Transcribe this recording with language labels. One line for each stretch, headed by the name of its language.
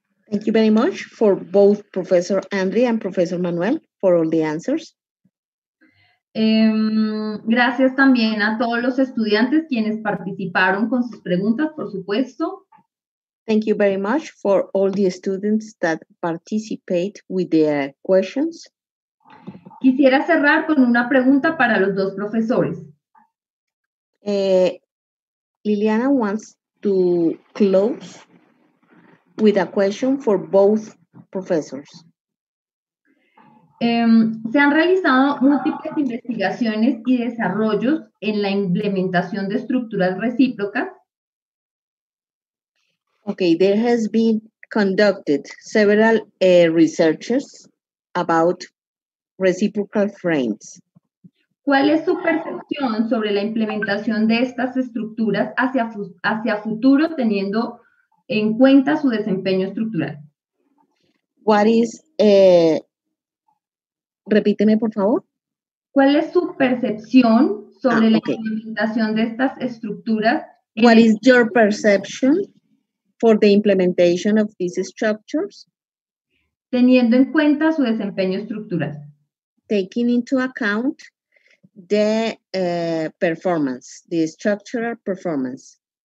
English: Thank you very much for both Professor Andy and Professor Manuel for all the answers.
Spanish: Gracias también a todos los estudiantes quienes participaron con sus preguntas, por supuesto.
English: Thank you very much for all the students that participate with their questions.
Spanish: Quisiera cerrar con una pregunta para los dos profesores.
English: Liliana wants to close with a question for both professors.
Spanish: Se han realizado múltiples investigaciones y desarrollos en la implementación de estructuras recíprocas.
English: Okay, there has been conducted several researches about reciprocal frames.
Spanish: ¿Cuál es su percepción sobre la implementación de estas estructuras hacia futuro teniendo en cuenta su desempeño estructural?
English: What is,
Spanish: repíteme por favor. ¿Cuál es su percepción sobre la implementación de estas estructuras?
English: What is your perception for the implementation of these structures?
Spanish: Teniendo en cuenta su desempeño estructural.
English: Taking into account the performance, the structural performance.